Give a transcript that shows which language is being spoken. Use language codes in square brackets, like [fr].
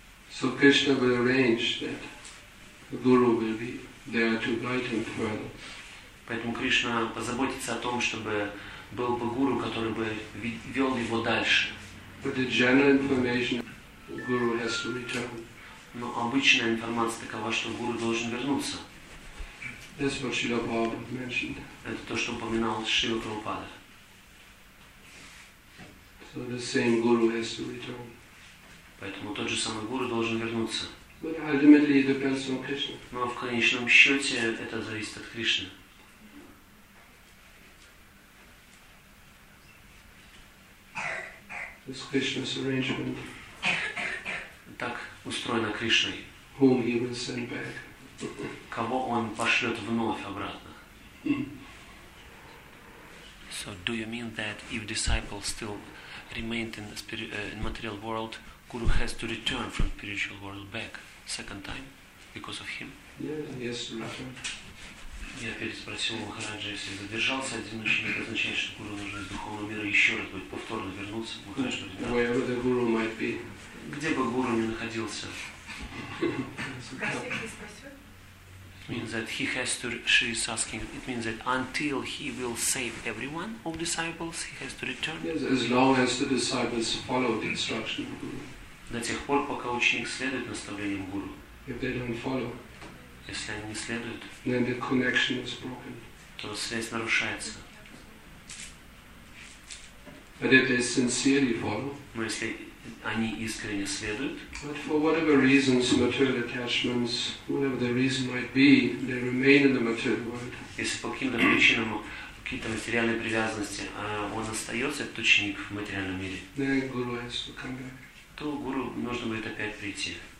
[en] So Krishna will arrange that the guru will be there to guide him further. [ru] Поэтому Кришна позаботится о том, чтобы был бы гуру, который бы вел его дальше. [en] But the general information, the guru has to return. [ru] Но обычная информация такова, что гуру должен вернуться. [en] That's what Srila Prabhupada mentioned. [ru] Это то, что упоминал Шрила Прабхупада. [en] So the same guru has to return. [ru] Поэтому тот же самый гуру должен вернуться. [en] But ultimately it depends on Krishna. [ru] Но в конечном счете это зависит от Кришны. [en] This Krishna's arrangement. [ru] Так устроено Кришной. [en] Whom he will send back. [ru] Кого он пошлет вновь обратно? [en] So do you mean that if disciple still remained in the in material world, guru has to return from spiritual world back second time because of him? Yes, he has to return. [ru] Я переспросил Махараджа, если задержался один ученик, означает, что гуру нужен из духовного мира еще. еще раз будет повторно вернуться, Махараш придет. [en] Wherever the guru might be. [ru] Где бы гуру ни находился. [en] Means that he has to. She is asking. It means that until he will save everyone of disciples, he has to return. Yes, as long as the disciples follow the instruction of guru. [ru] До тех пор, пока ученик следует наставлениям гуру. [en] If they don't follow. [ru] Если они не следуют. [en] Then the connection is broken. [ru] То связь нарушается. [en] But if they sincerely follow. [ru] Но если они искренне следуют. [en] But for whatever reasons, material attachments, whatever the reason might be, they remain in the material world. [ru] Если по каким-то причинам какие-то материальные привязанности, а он остается этот ученик в материальном мире. [en] Then guru has to come back. [ru] То гуру нужно будет опять прийти.